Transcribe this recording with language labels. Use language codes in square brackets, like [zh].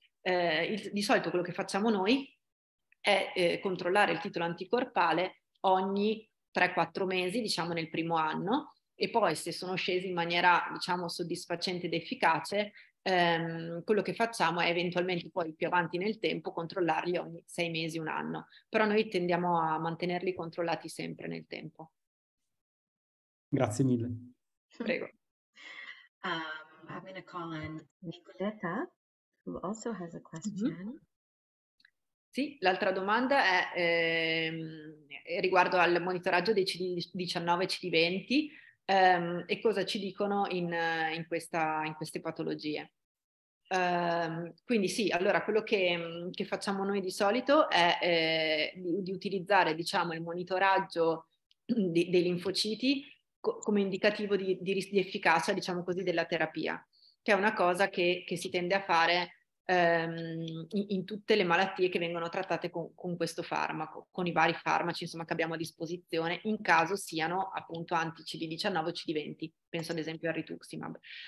[it] Di solito quello che facciamo noi è controllare il titolo anticorpale ogni 3-4 mesi, diciamo nel primo anno, e poi se sono scesi in maniera, diciamo, soddisfacente ed efficace, quello che facciamo è eventualmente poi più avanti nel tempo controllarli ogni 6 mesi, un anno, però noi tendiamo a mantenerli controllati sempre nel tempo. Grazie mille. Prego. [en] I'm going to call on Nicoletta, who also has a question. Mm-hmm. [it] Sì, l'altra domanda è riguardo al monitoraggio dei CD19 e CD20. E cosa ci dicono in queste patologie. Quindi sì, allora quello che facciamo noi di solito è di utilizzare, diciamo, il monitoraggio dei linfociti come indicativo di efficacia, diciamo così, della terapia, che è una cosa che si tende a fare in tutte le malattie che vengono trattate con questo farmaco, con i vari farmaci, insomma, che abbiamo a disposizione, in caso siano appunto anti CD19 o CD20, penso ad esempio al rituximab.